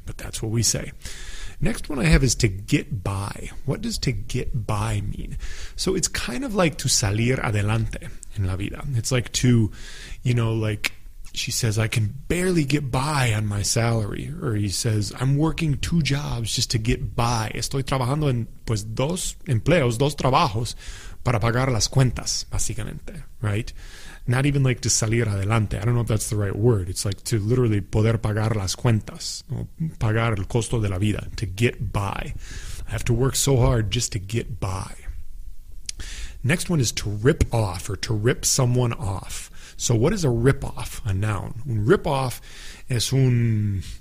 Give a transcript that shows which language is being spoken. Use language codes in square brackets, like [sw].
[en] But that's what we say. Next one I have is to get by. What does to get by mean? So it's kind of like to [es] salir adelante en la vida. [en] It's like to, you know, like she says, I can barely get by on my salary. Or he says, I'm working two jobs just to get by. [es] Estoy trabajando en pues dos empleos, dos trabajos para pagar las cuentas, básicamente, right? [en] Not even like to [es] salir adelante. [en] I don't know if that's the right word. It's like to literally [es] poder pagar las cuentas. [en] Or [es] pagar el costo de la vida. [en] To get by. I have to work so hard just to get by. Next one is to rip off or to rip someone off. So what is a rip off? A noun. Un rip off es un